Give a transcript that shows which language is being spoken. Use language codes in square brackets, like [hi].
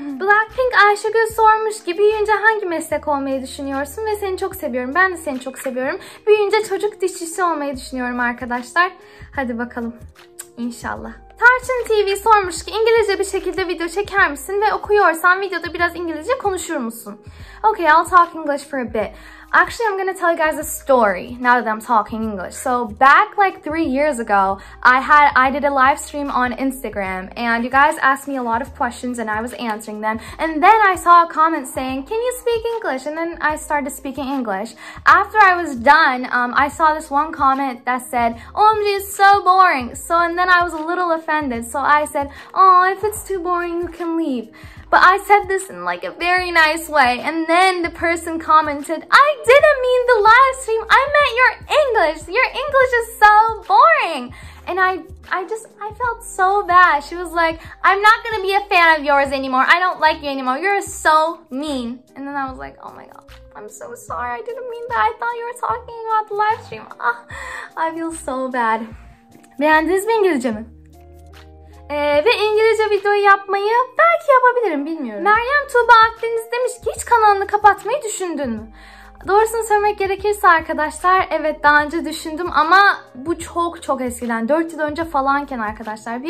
[tr] Blackpink Ayşegül sormuş ki büyüyünce hangi meslek olmayı düşünüyorsun ve seni çok seviyorum. Ben de seni çok seviyorum. Büyüyünce çocuk dişçisi olmayı düşünüyorum arkadaşlar. Hadi bakalım. İnşallah. Tarçın TV sormuş ki İngilizce bir şekilde video çeker misin ve okuyorsan videoda biraz İngilizce konuşur musun? [en] Okay, I'll talk English for a bit. Actually, I'm going to tell you guys a story now that I'm talking English. So back like 3 years ago, I did a live stream on Instagram and you guys asked me a lot of questions and I was answering them. And then I saw a comment saying, can you speak English? And then I started speaking English. After I was done, I saw this one comment that said, OMG, it's so boring. So and then I was a little offended. So I said, oh, if it's too boring, you can leave. But I said this in like a very nice way. And then the person commented, I didn't mean the live stream. I meant your English. Your English is so boring. And I felt so bad. She was like, I'm not gonna be a fan of yours anymore. I don't like you anymore. You're so mean. And then I was like, oh my God, I'm so sorry. I didn't mean that. I thought you were talking about the live stream. Oh, I feel so bad. [tr] Beğendiniz mi İngilizcemi? Ve İngilizce videoyu yapmayı belki yapabilirim, bilmiyorum. Meryem Tuğba Akdeniz demiş ki hiç kanalını kapatmayı düşündün mü? Doğrusunu söylemek gerekirse arkadaşlar, evet daha önce düşündüm ama bu çok çok eskiden, 4 yıl önce falanken arkadaşlar.